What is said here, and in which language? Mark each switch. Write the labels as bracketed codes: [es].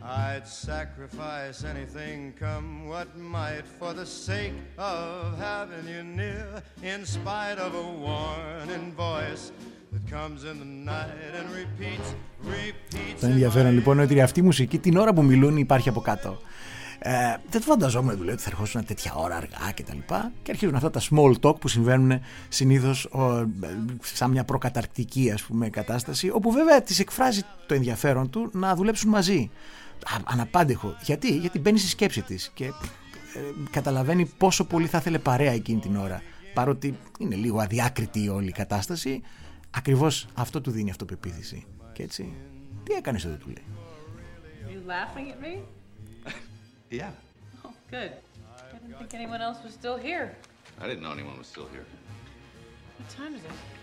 [en] I'd sacrifice anything come what might for the sake of having you near, in spite of a warning voice that comes in the night and repeats, repeats. [el] Το ενδιαφέρον λοιπόν είναι ότι αυτή η μουσική την ώρα που μιλούν υπάρχει από κάτω. Δεν φανταζόμουν δηλαδή ότι θα ερχόσουν τέτοια ώρα αργά και τα λοιπά, και αρχίζουν αυτά τα small talk που συμβαίνουν συνήθως σαν μια προκαταρκτική, ας πούμε, κατάσταση, όπου βέβαια τις εκφράζει το ενδιαφέρον του να δουλέψουν μαζί. Αναπάντεχο. Γιατί μπαίνει στη σκέψη της και καταλαβαίνει πόσο πολύ θα ήθελε παρέα εκείνη την ώρα, παρότι είναι λίγο αδιάκριτη όλη η κατάσταση. Ακριβώς αυτό του δίνει αυτοπεποίθηση. Και έτσι, τι έκανες εδώ, του λέει. [en] Are you laughing at me? Yeah. Oh, good. I didn't think anyone else was still here. I didn't know anyone was still here. What time is it?